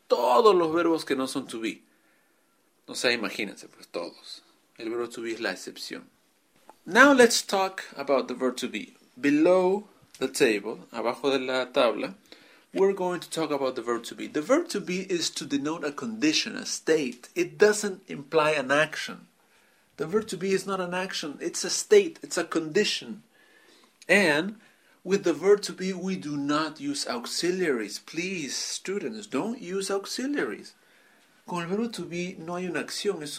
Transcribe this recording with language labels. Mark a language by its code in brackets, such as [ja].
[es] Todos los verbos que no son to be. O sea, imagínense, pues todos. El verbo to be es la excepción. [en] Now let's talk about the verb to be. Below the table, [es] abajo de la tabla, [en] we're going to talk about the verb to be. The verb to be is to denote a condition, a state. It doesn't imply an action. The verb to be is not an action. It's a state. It's a condition. And with the verb to be, we do not use auxiliaries. Please, students, don't use auxiliaries. [es] Con el verbo to be no hay una acción.